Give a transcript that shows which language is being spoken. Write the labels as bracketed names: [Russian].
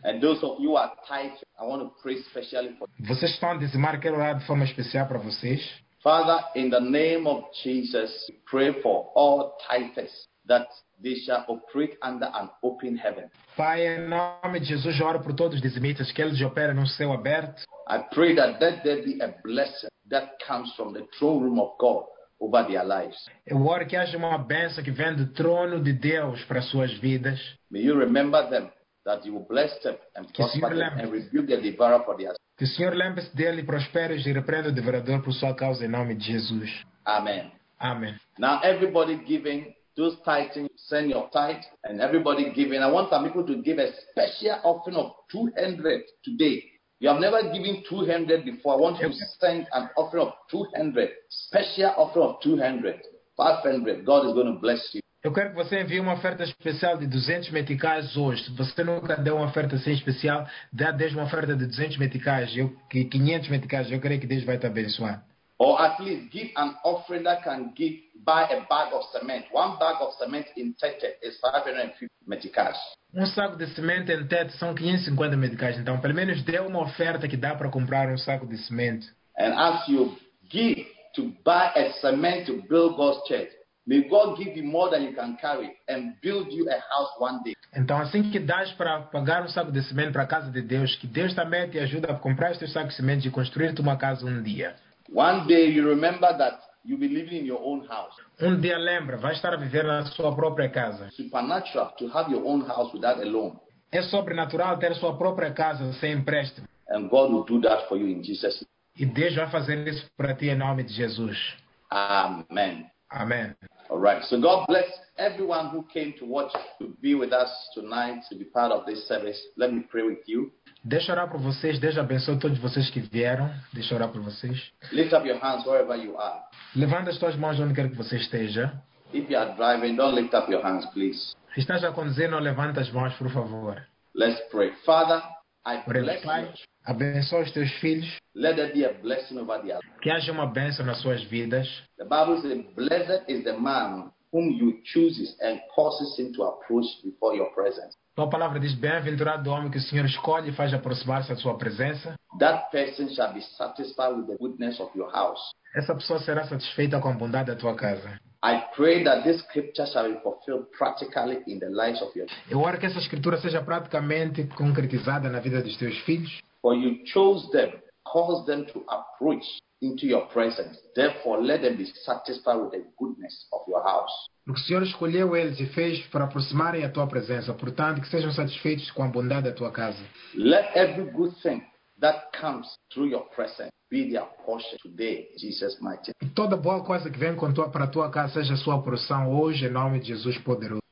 [English] And those of you who are tithing, I want to pray specially for you. [Portuguese] Vocês estão a dizimar, quero orar de forma especial para vocês. [English] Father, in the name of Jesus, pray for all tithers that they shall operate under an open heaven. [Portuguese] Pai, em nome de Jesus, eu oro por todos os dizimistas, que eles operem num céu aberto. [English] I pray that there be a blessing that comes from the throne room of God over their lives. [Portuguese] Eu oro que haja uma bênção que vem do trono de Deus para suas vidas. [English] May you remember them, that you will bless them and prosper them and rebuke the devourer for their sins. [Portuguese] Que o Senhor lembre-se dele, prospere e repreenda o devorador por sua causa em nome de Jesus. Amen. Amen. [English] Now everybody giving, those tithing, send your tithe, and everybody giving, I want some people to give a special offering of 200 today. You have never given 200 before. I want you to send an offering of 200, special offering of 200, 500. God is going to bless you. [Portuguese] Eu quero que você envie uma oferta especial de 200 meticais hoje. Se você nunca deu uma oferta assim especial, dê a Deus uma oferta de 200 meticais, 500 meticais. Eu creio que Deus vai te abençoar. [English] Or at least give an offering that can give buy a bag of cement. One bag of cement in Tete is 550 meticais. [Portuguese] Um saco de cimento em Tete são 550 meticais. Então, pelo menos dê uma oferta que dá para comprar um saco de cimento. [English] And as you give to buy a cement to build God's church, may God give you more than you can carry and build you a house one day. [Portuguese] Então, assim que dás para pagar um saco de cimento para a casa de Deus, que Deus também te ajude a comprar este saco de cimento e construir-te uma casa um dia. [English] One day you remember that You will be living in your own house. [Portuguese] Um dia lembra, vai estar a viver na sua própria casa. [English] Supernatural to have your own house without a loan. [Portuguese] É sobrenatural ter a sua própria casa sem empréstimo. [English] And God will do that for you in Jesus. [Portuguese] E Deus vai fazer isso para ti em nome de Jesus. Amen. Amen. [English] All right. So God bless everyone who came to watch to be with us tonight to be part of this service. Let me pray with you. [Portuguese] Deixa orar por vocês. Deus abençoe todos vocês que vieram. Deixa orar por vocês. [English] Lift up your hands wherever you are. [Portuguese] Levanta as tuas mãos onde quer que você esteja. [English] If you are driving, don't lift up your hands, please. [Portuguese] Se estás a conduzir, não levanta as mãos, por favor. [English] Let's pray. Father, I bless you. [Portuguese] Abençoe os teus filhos. [English] Let there be a blessing over the other. [Portuguese] Que haja uma bênção nas suas vidas. [English] The Bible says, blessed is the man whom you choose and causes him to approach before your presence. [Portuguese] Tua palavra diz, bem-aventurado o homem que o Senhor escolhe e faz aproximar-se à sua presença. [English] That person shall be satisfied with the goodness of your house. [Portuguese] Essa pessoa será satisfeita com a bondade da tua casa. [English] I pray that this scripture shall be fulfilled practically in the lives of your children. [Portuguese] Eu oro que essa escritura seja praticamente concretizada na vida dos teus filhos. [English] For you chose them, caused them to approach into your presence. Therefore, let them be satisfied with the goodness of your house. [Portuguese] O Senhor escolheu eles e fez para aproximarem a tua presença, portanto, que sejam satisfeitos com a bondade da tua casa. [English] Let every good thing that comes through your presence be their portion today, Jesus mighty. E toda boa coisa que vem com tua, para a tua casa seja a sua porção hoje, em nome de Jesus poderoso.